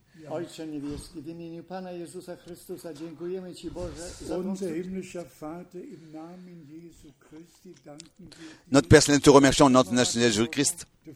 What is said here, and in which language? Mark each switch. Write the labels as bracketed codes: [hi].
[pl] Ojcze niebieski, w imieniu Pana Jezusa Chrystusa dziękujemy Ci Boże za [de] unser himmlischer Vater im Namen Jesu Christi danken wir. [fr] Notre Père Saint, nous te remercions au nom de notre Seigneur Jésus-Christ.